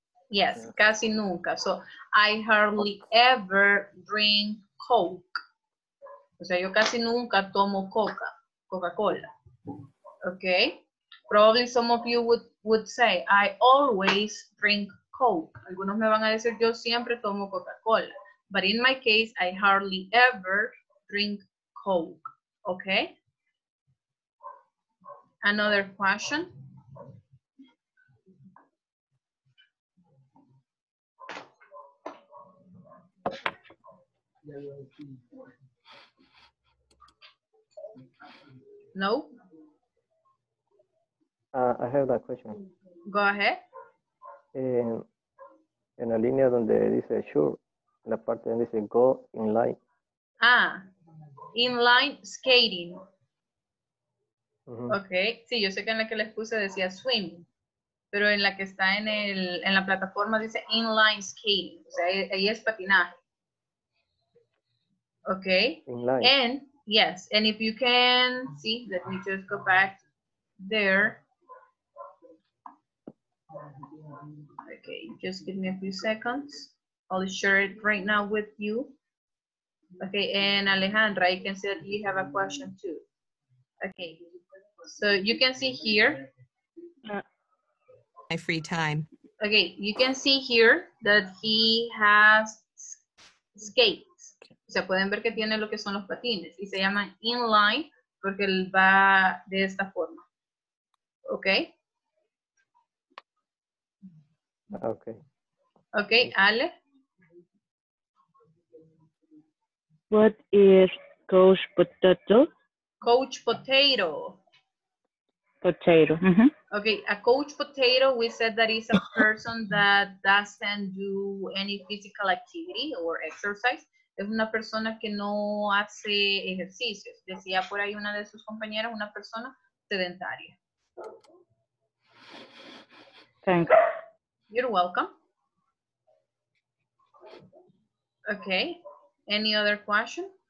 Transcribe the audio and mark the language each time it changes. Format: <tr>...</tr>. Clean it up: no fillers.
<en>Yes, yeah.</en> <es>Casi nunca.</es> <en>So, I hardly ever drink Coke.</en> <es>O sea, yo casi nunca tomo Coca-Cola. Okay?</es> <en>Probably some of you would say, I always drink Coke.</en> <es>Algunos me van a decir, yo siempre tomo Coca-Cola.</es> <en>But in my case, I hardly ever drink Coke. Okay? Another question? No? I have that question. Go ahead.</en> <es>En la línea donde dice sure, la parte donde dice</es> <en>go in line. Ah, in line skating.</en> <es>Okay, sí, yo sé que en la que les puse decía swim, pero en la que está en el en la plataforma dice inline skating, o sea, ahí es patinaje.</es> <en>Okay, inline. And yes, and if you can, see, let me just go back there. Okay, just give me a few seconds. I'll share it right now with you. Okay, and Alejandra, you can see that you have a question too. Okay. So you can see here my free time. Okay, you can see here that he has skates.</en> <es>O sea, pueden ver que tiene lo que son los patines y se llaman inline porque él va de esta forma.</es> <en>Okay? Okay. Okay, Ale. What is couch potato? Couch potato. Potato. Mm-hmm. Okay, a couch potato, we said that is a person that doesn't do any physical activity or exercise.</en> <es>Es una persona que no hace ejercicios. Decía por ahí una de sus compañeras, una persona sedentaria.</es> <en>Thanks. You're welcome. Okay, any other question?</en>